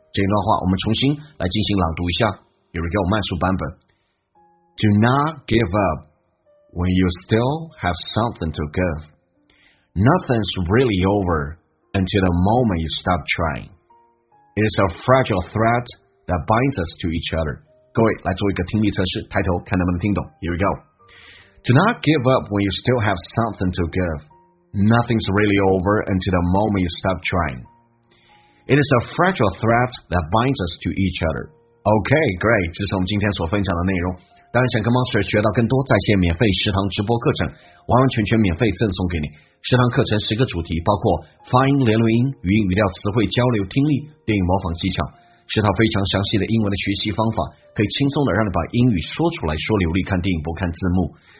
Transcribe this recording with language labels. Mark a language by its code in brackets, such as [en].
[zh] 这一段话我们重新来进行朗读一下，比如给我慢速版本。 [en] Do not give up when you still have something to give. Nothing's really over until the moment you stop trying. It is a fragile thread that binds us to each other. [zh] 各位来做一个听力测试，抬头看能不能听懂。 [en] Here we go. Do not give up when you still have something to give. Nothing's really over until the moment you stop trying. It is a fragile threat that binds us to each other. Okay, great. [zh] 这是我们今天所分享的内容。当然想跟 Monster 学到更多在线免费食堂直播课程，完完全全免费赠送给你。食堂课程十个主题，包括发音、连轮音、语音语调、词汇交流、听力、电影模仿技巧，是套非常详细的英文的学习方法，可以轻松的让你把英语说出来，说流利，看电影不看字幕。